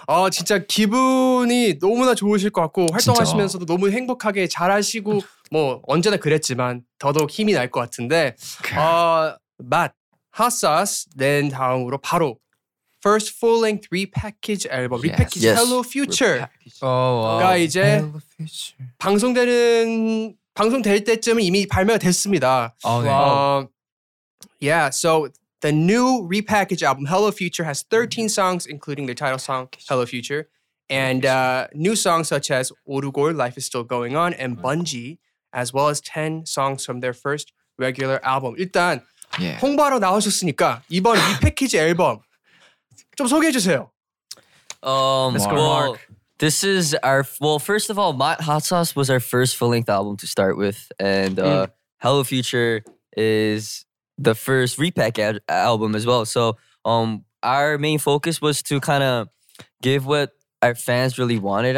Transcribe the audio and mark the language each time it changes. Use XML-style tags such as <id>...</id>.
<ko>진짜 기분이 너무나 좋으실 것 같고 활동하시면서도 너무 행복하게 잘하시고 뭐 언제나 그랬지만 더더욱 힘이 날 것 같은데 맛 핫사스 낸 다음으로 바로</ko> <en>First full-length repackage album, repackage yes. Hello Future. Oh, wow.</en> <ko>가 이제 방송될 때쯤은 이미 발매가 됐습니다.</ko> <en>Oh, wow. Yeah, so the new repackage album Hello Future has 13 songs, including the title song Hello Future, and new songs such as Orugor, Life Is Still Going On, and Bungee, as well as 10 songs from their first regular album.</en> <ko>일단 yeah. 홍보하러 나오셨으니까 이번 repackage 앨범 좀 소개해 주세요.</ko> <en>Let's go, well, Mark. This is our well. First of all, Matt Hot Sauce was our first full length album to start with, and Hello Future is the first repack album as well. So, our main focus was to kind of give what our fans really wanted.</en>